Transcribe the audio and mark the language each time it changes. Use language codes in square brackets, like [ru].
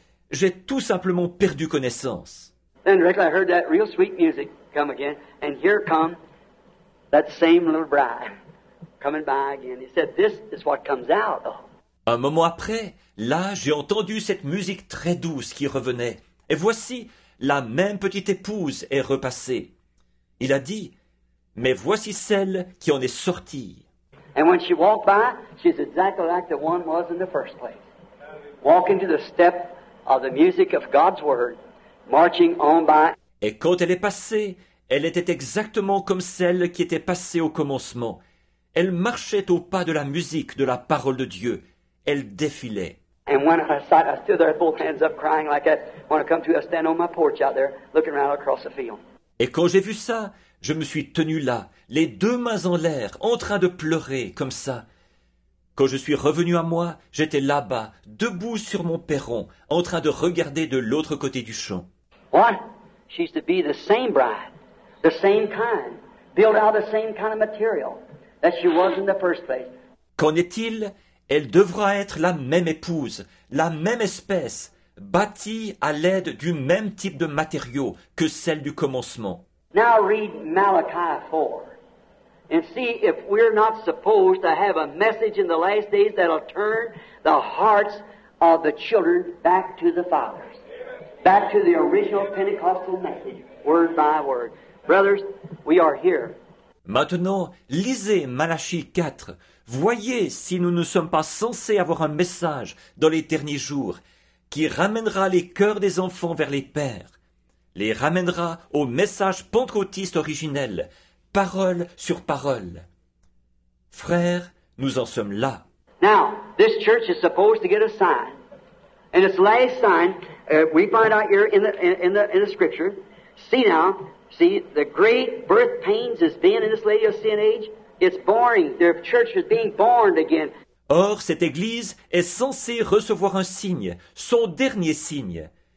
[fr] J'ai tout simplement perdu connaissance. [en] And directly I heard that real sweet music. Come again, and here come that same little bride coming by again. He said, "This is what comes out." Oh. [fr] Un moment après, là, j'ai entendu cette musique très douce qui revenait, et voici la même petite épouse est repassée. Il a dit, "Mais voici celle qui en est sortie." [en] And when she walked by, she's exactly like the one was in the first place, walking to the step of the music of God's word, marching on by. [fr] Et quand elle est passée, elle était exactement comme celle qui était passée au commencement. Elle marchait au pas de la musique de la parole de Dieu. Elle défilait. [en] And when I sat, I stood there, both hands up, crying like that. When I come to, I stand on my porch out there, looking around across the field. [fr] Et quand j'ai vu ça, je me suis tenu là, les deux mains en l'air, en train de pleurer comme ça. Quand je suis revenu à moi, j'étais là-bas, debout sur mon perron, en train de regarder de l'autre côté du champ. [en] What? She's to be the same bride, the same kind, built out of the same kind of material that she was in the first place. [fr] Qu'en est-il? Elle devra être la même épouse, la même espèce, bâtie à l'aide du même type de matériaux que celle du commencement. [en] Now read Malachi 4 and see if we're not supposed to have a message in the last days that'll turn the hearts of the children back to the Father. Back to the original Pentecostal message, word by word. Brothers, we are here. [fr] Maintenant, lisez Malachie 4. Voyez si nous ne sommes pas censés avoir un message dans les derniers jours qui ramènera les cœurs des enfants vers les pères, les ramènera au message pentecôtiste originel, parole sur parole. Frères, nous en sommes là. [en] Now, this church is supposed to get a sign. And its last sign, we find out here in the scripture. See now, see the great birth pains is being in this lady of sin age. It's boring. Their church is being born again. [fr] Or, cette église est censée recevoir un signe, son dernier signe.